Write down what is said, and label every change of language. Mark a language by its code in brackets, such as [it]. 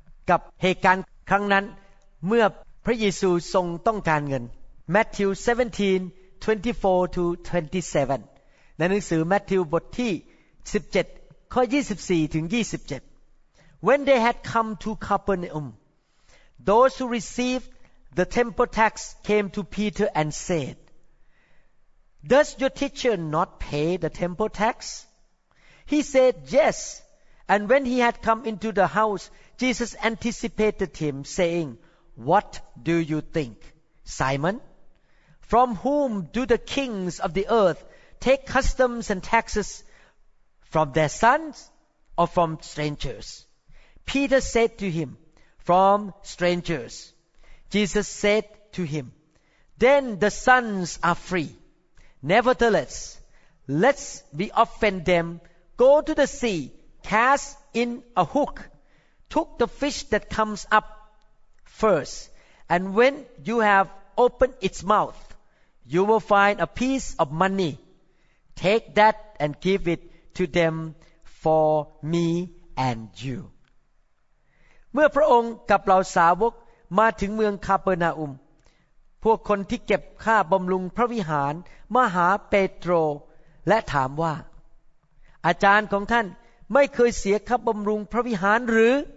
[th] กับเหตุการณ์ครั้งนั้นเมื่อพระเยซูทรงต้องการเงิน [en] Matthew 17:24-27 [th] ในหนังสือแมทธิวบทที่17ข้อ24ถึง27 [en] When they had come to CapernaumThose who received the temple tax came to Peter and said, Does your teacher not pay the temple tax? He said, Yes. And when he had come into the house, Jesus anticipated him, saying, What do you think, Simon? From whom do the kings of the earth take customs and taxes? From their sons or from strangers? Peter said to him,From strangers, Jesus said to him, Then the sons are free. Nevertheless, lest we offend them, go to the sea, cast in a hook, took the fish that comes up first, and when you have opened its mouth, you will find a piece of money. Take that and give it to them for me and you. [th] เมื่อพระองค์กับเหล่าสาวกมาถึงเมืองคาเปอร์นาอุมพวกคนที่เก็บค่าบำรุงพระวิหารมาหาเปโตรและถามว่าอาจารย์ของท่านไม่เคยเสียค่าบำรุงพระวิหารหรือ